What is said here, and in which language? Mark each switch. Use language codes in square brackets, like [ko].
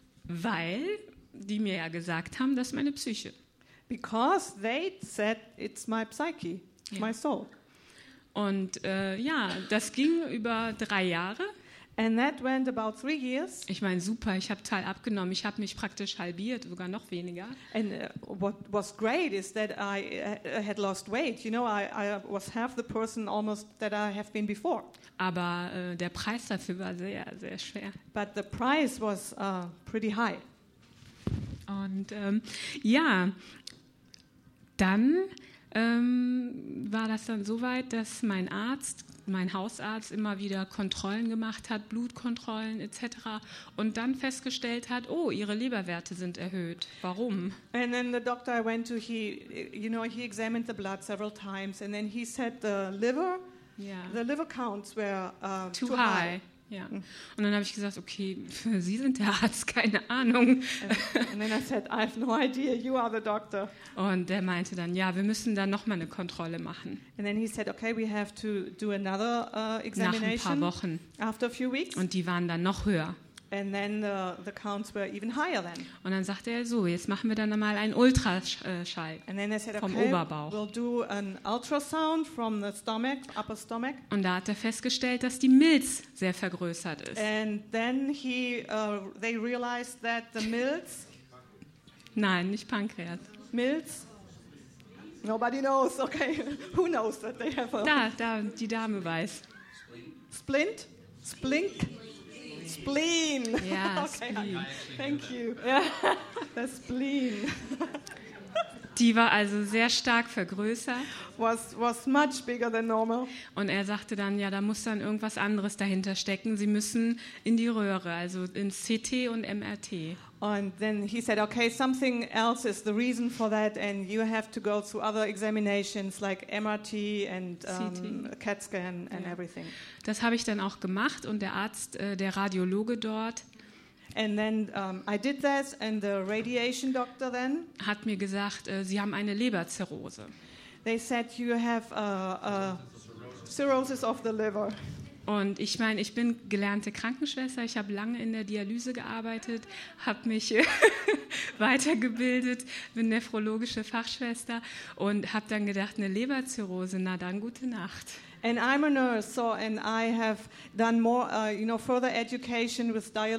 [de] Weil die mir ja gesagt haben, das ist meine Psyche. [en] Because they said it's my psyche, my soul. [de] Und ja, das ging über 3 Jahre. [en] And that went about 3 years. [de] Ich meine, super, ich habe total abgenommen. Ich habe mich praktisch halbiert, sogar noch weniger. [en] And what was great is that I had lost weight. You know, I was half the person almost that I have been before. [de] Aber der Preis dafür war sehr, sehr schwer. [en] But the price was pretty high. [de] Und ja, dann war das dann so weit, dass mein Hausarzt immer wieder Kontrollen gemacht hat, Blutkontrollen etc. und dann festgestellt hat, oh, ihre Leberwerte sind erhöht. Warum? [en] And then the doctor I went to, he examined the blood several times and then he said the liver counts were too high. [de] Ja. Und dann habe ich gesagt, okay, Sie sind der Arzt, keine Ahnung. [en] And then I said, I have no idea, you are the doctor. [de] Und der meinte dann, ja, wir müssen dann nochmal eine Kontrolle machen. [en] And then he said, okay, we have to do another examination. [de] Nach ein paar Wochen. [en] After a few weeks. [de] Und die waren dann noch höher. [en] And then the counts were even higher then. [de] Und dann sagte er so, jetzt machen wir dann mal einen Ultraschall vom Oberbauch. [en] We'll do an ultrasound from the stomach, upper stomach. [de] Und da hat er festgestellt, dass die Milz sehr vergrößert ist. [en] And then they realized that the Milz. [de] Nein, nicht Pankreas. [en] Milz. Nobody knows. Okay, who knows that they have a. [de] Da, die Dame weiß. [en] Splint. Splink. Spleen. [de] Ja, okay. [en] Spleen. Thank you. Yeah. The spleen. [de] Die war also sehr stark vergrößert. [en] Was much bigger than normal. [de] Und er sagte dann, ja, da muss dann irgendwas anderes dahinter stecken. Sie müssen in die Röhre, also in CT und MRT. [en] And then he said, okay, something else is the reason for that and you have to go to other examinations like MRT and CAT scan and everything. [de] Das habe ich dann auch gemacht und der Arzt, der Radiologe dort. [en] And then I did that and the radiation doctor then [de] hat mir gesagt, Sie haben eine Leberzirrhose. [en] They said you have a cirrhosis of the liver. [de] Und ich meine, ich bin gelernte Krankenschwester, ich habe lange in der Dialyse gearbeitet, habe mich weitergebildet, bin nephrologische Fachschwester und habe dann gedacht, eine Leberzirrhose, na dann gute Nacht. [en] And I'm a nurse, so and I have done more, you know, further education with